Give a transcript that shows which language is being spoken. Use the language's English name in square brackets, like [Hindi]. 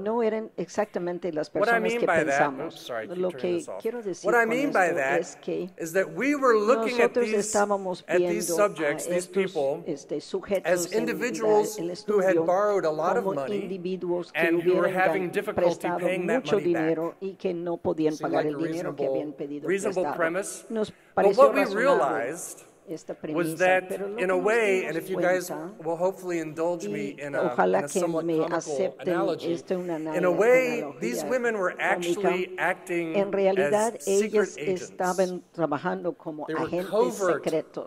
[Spanish] No eran exactamente las personas que pensamos. [English] What I mean by that, what I mean by that is that we were looking at these subjects, these people, as individuals who had borrowed a lot of money and who were having difficulty paying that money back. [Spanish] Y que no podían pagar el dinero que habían pedido. [English] Reasonable premise. But what we realized was that, in a way, and if you guys will hopefully indulge me in a somewhat comical analogy, in a way, these women were actually acting as secret agents. They were covert